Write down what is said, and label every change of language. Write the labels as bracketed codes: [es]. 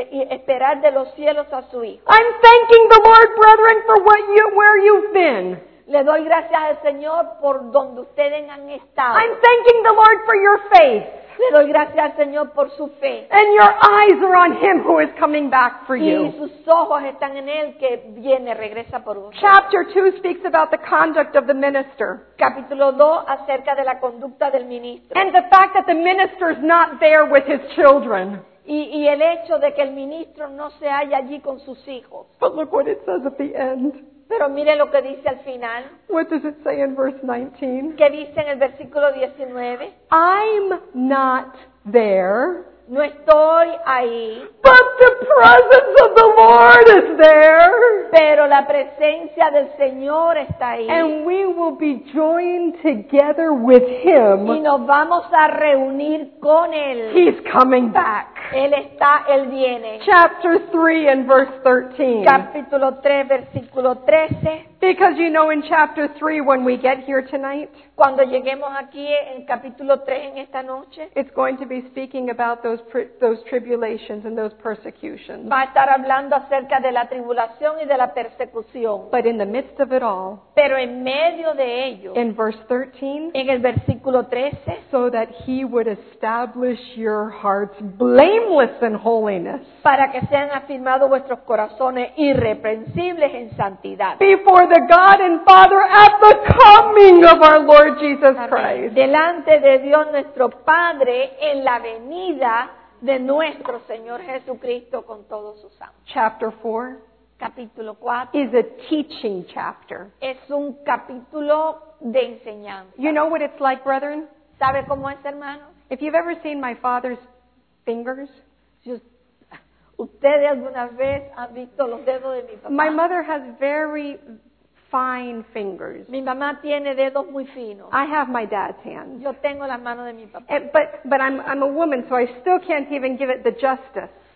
[es] Esperar de los cielos a su hijo. [en] I'm thanking the Lord, brethren, for where you've been. [es] Le doy gracias al Señor por donde ustedes han estado. [en] I'm thanking the Lord for your faith. [es] Le doy gracias al Señor por su fe. [en] And your eyes are on him who is coming back for you. [es] Y sus ojos están en él que viene, regresa por usted. [en] Chapter 2 speaks about the conduct of the minister. [es] Capítulo 2 acerca de la conducta del ministro. [en] And the fact that the minister is not there with his children. [es] Y el hecho de que el ministro no se halla allí con sus hijos. [en] But look what it says at the end. [es] Pero mire lo que dice al final. [en] What does it say in verse 19? [es] ¿Qué dice en el versículo 19? [en] I'm not there. [es] No estoy ahí. [en] But the presence of the Lord is there. [es] Pero la presencia del Señor está ahí. [en] And we will be joined together with him. [es] Y nos vamos a reunir con él. [en] He's coming back. [es] Él está, él viene. [en] Chapter 3 and verse 13. [es] Capítulo 3, versículo 13. [en] Because you know in chapter 3 when we get here tonight, [es] cuando lleguemos aquí en capítulo 3 en esta noche, [en] it's going to be speaking about those tribulations and those persecutions. [es] Va a estar hablando acerca de la tribulación y de la persecución. [en] But in the midst of it all, [es] pero en medio de ello, [en] in verse 13, [es] en el versículo 13, [en] so that he would establish your hearts blameless in holiness, [es] para que sean afirmados vuestros corazones irreprensibles en santidad. [en] For the God and Father at the coming of our Lord Jesus Christ. [es] Delante de Dios nuestro Padre en la venida de nuestro Señor Jesucristo con todos sus santos. [en] Chapter 4. [es] Capítulo 4. [en] Is a teaching chapter. [es] Es un capítulo de enseñanza. [en] You know what it's like, brethren? [es] ¿Sabe cómo es, hermano? [en] If you've ever seen my father's fingers, just [es] ¿Ustedes alguna vez han visto los dedos de mi papá? [en] My mother has very fine fingers. [es] Mi mamá tiene dedos muy finos. [en] I have my dad's hands. [es] Yo tengo las manos de mi papá. [en] But I'm a woman, so I still can't even give it the justice.